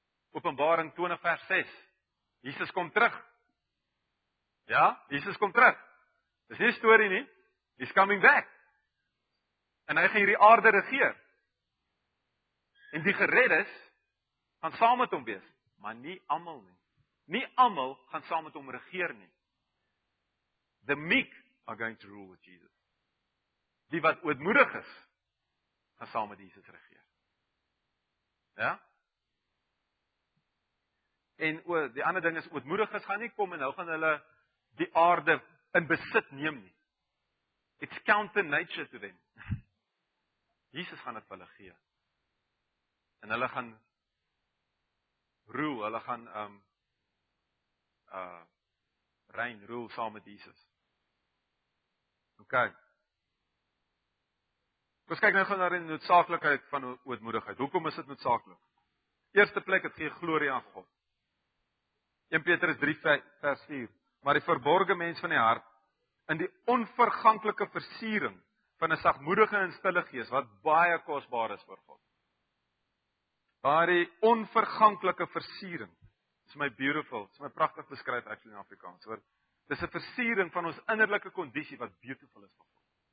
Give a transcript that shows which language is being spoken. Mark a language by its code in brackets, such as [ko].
[af] Openbaring 20 vers 6. Jesus kom terug. Ja, Jesus kom terug. Dis nie 'n story nie. [en] He's coming back. [af] En hy gaan hierdie aarde regeer. En die gereddes gaan saam met hom wees. Maar nie almal nie. Nie almal gaan saam met hom regeer nie. [en] The meek are going to rule with Jesus. [af] Die wat ootmoedig is, gaan saam met Jesus regeer. Ja? En o, die ander ding is, ootmoediges gaan nie kom en nou gaan hulle die aarde in besit neem nie. [en] It's counter nature to them. [af] Jesus gaan dit vir hulle gee. En hulle gaan rule, hulle gaan reign, rule saam met Jesus. OK. Ons kyk nou gaan na die noodsaaklikheid van ootmoedigheid. Hoekom is dit noodsaaklik? Eerste plek, het gee glorie aan God. 1 Petrus 3 vers 4, maar die verborge mens van die hart, in die onverganklike versiering van 'n sagmoedige en stille gees, wat baie kosbaar is vir God. Daardie onverganklike versiering, is my beautiful, is my prachtig beskryf actually in Afrikaans, want dit is 'n versiering van ons innerlike kondisie, wat beautiful is vir God.